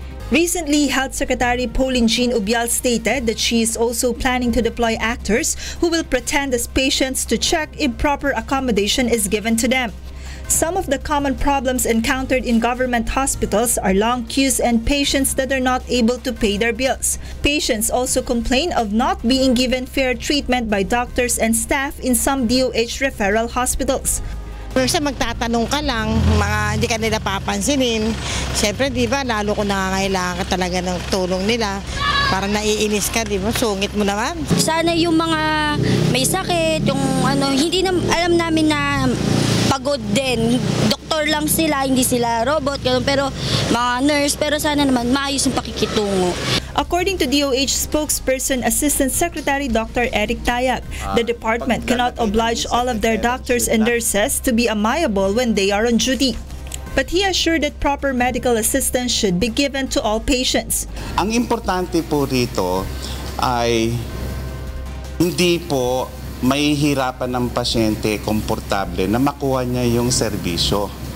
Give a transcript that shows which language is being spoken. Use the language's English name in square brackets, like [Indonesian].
[English] Recently, Health Secretary Pauline Jean Ubial stated that she is also planning to deploy actors who will pretend as patients to check if proper accommodation is given to them. Some of the common problems encountered in government hospitals are long queues and patients that are not able to pay their bills. Patients also complain of not being given fair treatment by doctors and staff in some DOH referral hospitals. [Filipino] Kasi magtatanong ka lang, mga hindi ka nila papansinin. Siyempre, di ba, lalo ko nangangailangan ka talaga ng tulong nila. Para naiinis ka, di ba? Sungit mo naman. Sana yung mga may sakit, yung ano, hindi na alam namin na pagod din. Doktor lang sila, hindi sila robot, pero mga nurse, pero sana naman maayos yung pakikitungo. [English] According to DOH Spokesperson Assistant Secretary Dr. Eric Tayag, the department cannot oblige all of their doctors and nurses to be amiable when they are on duty. But he assured that proper medical assistance should be given to all patients. [Filipino] Ang importante po rito ay hindi po mahihirapan ng pasyente komportable na makuha niya yung serbisyo.